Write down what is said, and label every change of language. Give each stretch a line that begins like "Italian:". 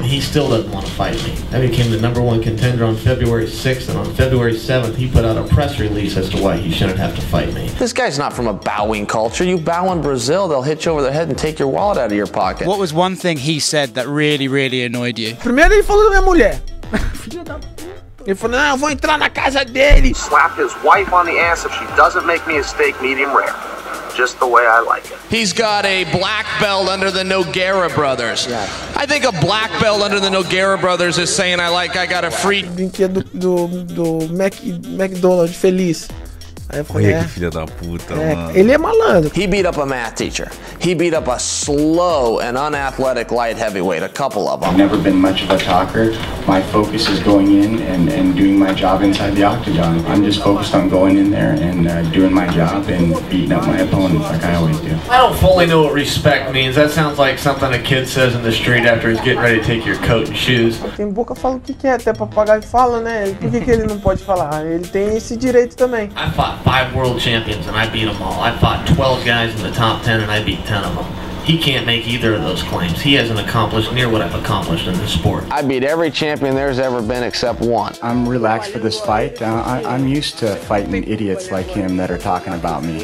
English: He still doesn't wanna fight me. I became the number one contender on February 6th, and on February 7th, he put out a press release as to why he shouldn't have to fight me. This guy's not from a bowing culture. You bow in Brazil, they'll hit you over the head and take your wallet out of your pocket. What was one thing he said that really, really annoyed you?
Portuguese: Primeiro ele falou da minha mulher. Ele falou, não, eu vou entrar na casa dele.
English: Slap his wife on the ass if she doesn't make me a steak medium rare. Just the way I like it. He's got a black belt under the Nogueira brothers. Yeah. I think a black belt under the Nogueira brothers is saying I like, I got a free...
Portuguese: Brinquedo do McDonald's, feliz. Olha que filha da puta, mano. Ele é malandro.
English: He beat up a math teacher. He beat up a slow and unathletic light heavyweight, a couple of them. I've never been much of a talker. My focus is going in and doing my job inside the octagon. I'm just focused on going in there and doing my job and beating up my opponents like I always do. I don't fully know what respect means. That sounds like something a kid says in the street after he's getting ready to take your coat and shoes.
Portuguese: Tem boca fala o que quer, até papagaio fala, né? Por que ele não pode falar? Ele tem esse direito também.
English: I fought 5 world champions and I beat them all. I fought 12 guys in the top 10 and I beat 10 of them. He can't make either of those claims. He hasn't accomplished near what I've accomplished in this sport. I beat every champion there's ever been except one. I'm relaxed for this fight. I'm used to fighting idiots like him that are talking about me.